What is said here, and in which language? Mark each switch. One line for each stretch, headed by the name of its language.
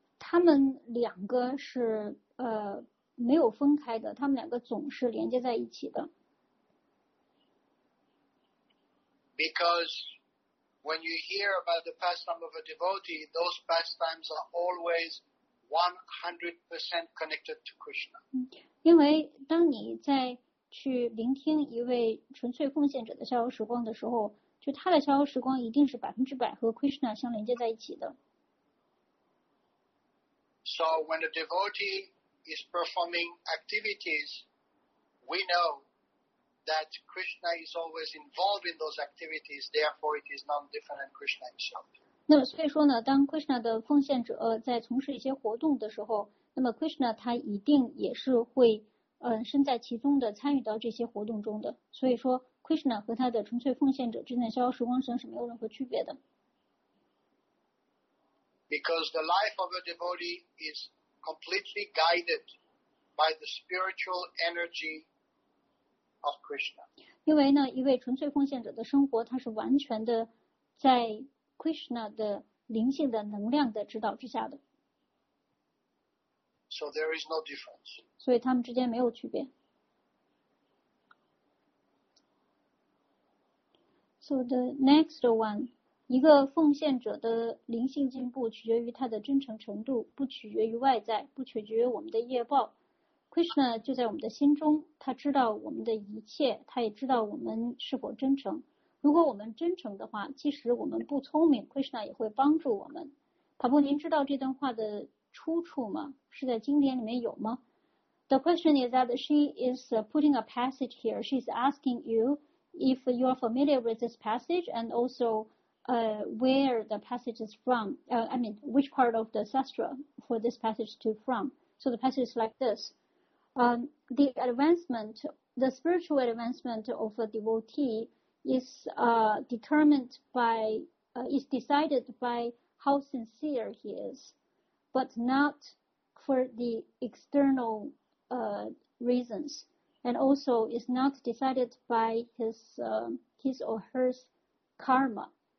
Chinese: 他们两个是没有分开的，他们两个总是连接在一起的。
English: Because when you hear about the pastime of a devotee, those pastimes are always 100% connected to Krishna.
Chinese: 因为当你在去聆听一位纯粹奉献者的逍遥时光的时候，就他的逍遥时光一定是100%和 Krishna 相连接在一起的。
English: So when a devotee is performing activities, we know that Krishna is always involved in those activities, therefore it is not different than Krishna himself.
Chinese: 那么所以说呢，当 Krishna 的奉献者在从事一些活动的时候，那么 Krishna 他一定也是会身在其中的，参与到这些活动中的。所以说 Krishna 和他的纯粹奉献者之间的逍遥时光神是没有任何区别的。
English: Because the life of a devotee is completely guided by the spiritual energy of Krishna.
Chinese: 因为呢，一位纯粹奉献者的生活，他是完全的在 Krishna 的灵性的能量的指导之下的。
English: So there is no difference.
Chinese: 所以他们之间没有区别。
English: So the next one.
Chinese: 一个奉献者的灵性进步取决于他的真诚程度，不取决于外在，不取决于我们的业报。 Krishna 就在我们的心中，他知道我们的一切，他也知道我们是否真诚。如果我们真诚的话，即使我们不聪明， Krishna 也会帮助我们。帕布，您知道这段话的出处吗？是在经典里面有吗？
English: The question is that she is putting a passage here. She's asking you if you are familiar with this passage and also,where the passage is from, which part of the sastra for this passage to from. So the passage is like this. The advancement, the spiritual advancement of a devotee is determined by, is decided by how sincere he is, but not for the external reasons, and also is not decided by his or her karma.